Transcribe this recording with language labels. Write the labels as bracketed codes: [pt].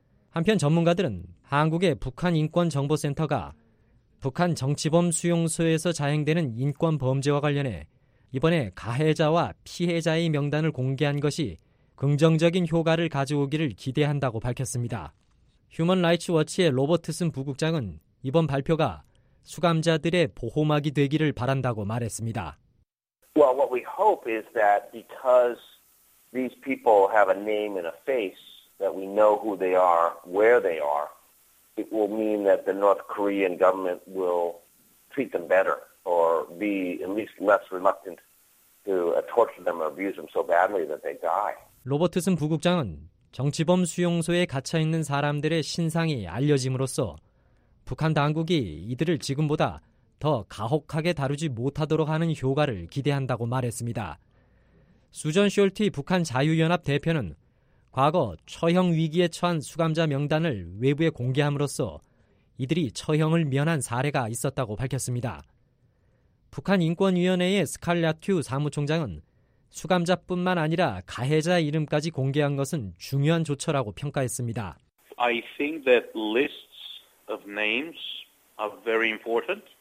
[ko] 한편 전문가들은 한국의 북한 인권 정보센터가 북한 정치범 수용소에서 자행되는 인권 범죄와 관련해 이번에 가해자와 피해자의 명단을 공개한 것이 긍정적인 효과를 가져오기를 기대한다고 밝혔습니다. 휴먼 라이츠 워치의 로버트슨 부국장은 이번 발표가 수감자들의 보호막이 되기를 바란다고 말했습니다. [en] Well, what we hope is that because these people have a name and a face that we know who they are, where they are, it will mean that the North Korean government will treat them better or be at least less reluctant to torture them or abuse them so badly that they die. [ko] 로버트슨 부국장은 정치범 수용소에 갇혀있는 사람들의 신상이 알려짐으로써 북한 당국이 이들을 지금보다 더 가혹하게 다루지 못하도록 하는 효과를 기대한다고 말했습니다. 수전 숄티 북한 자유연합 대표는 과거 처형 위기에 처한 수감자 명단을 외부에 공개함으로써 이들이 처형을 면한 사례가 있었다고 밝혔습니다. 북한인권위원회의 스칼라큐 사무총장은 수감자뿐만 아니라 가해자 이름까지 공개한 것은 중요한 조처라고 평가했습니다. [en] I think that lists of names are very important.